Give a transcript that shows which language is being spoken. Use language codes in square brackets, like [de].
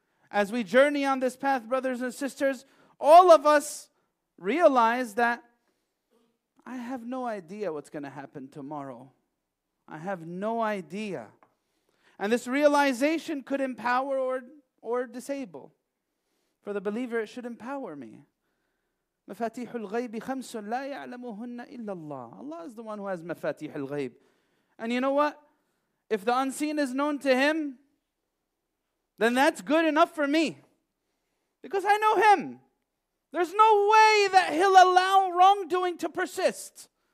[en] As we journey on this path, brothers and sisters, all of us realize that I have no idea what's going to happen tomorrow. I have no idea. And this realization could empower or disable. For the believer, it should empower me. [ar] مفاتيح الغيب خمس لا يعلمهن إلا الله. [en] Allah is the one who has [ar] مفاتيح الغيب. [en] And you know what? If the unseen is known to Him, then that's good enough for me. Because I know Him. There's no way that He'll allow wrongdoing to persist.